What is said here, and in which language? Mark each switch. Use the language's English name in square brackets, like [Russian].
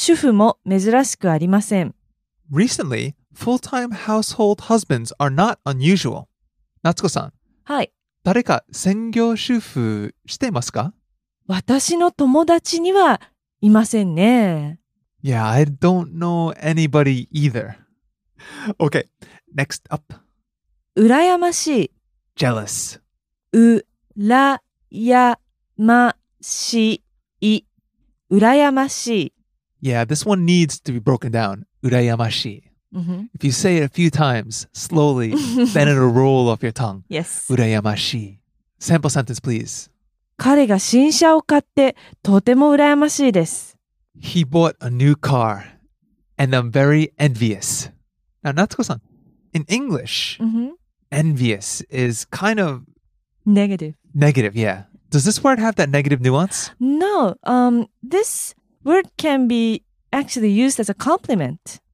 [Japanese] 最近では専業主婦も珍しくありません. [English] Recently, full-time household husbands are not unusual. Natsuko-san. Hi. [Japanese] 誰か専業主婦してますか? 私の友達にはいませんね. [English] Yeah, I don't know anybody either. Okay, next up. [Japanese] 羨ましい. [English] Jealous. [Japanese] 羨ましい. 羨ましい. [English] Yeah, this one needs to be broken down. [Japanese] 羨ましい. [English] Mm-hmm. If you say it a few times, slowly, then it'll roll off your tongue. Yes. [Japanese] 羨ましい. [English] Sample sentence, please. [Japanese] 彼が新車を買ってとても羨ましいです. [English] He bought a new car, and I'm very envious. Now, Natsuko-san, in English, envious is kind of... Negative. Negative, yeah. Does this word have that negative nuance? No. This word can be actually used as a compliment.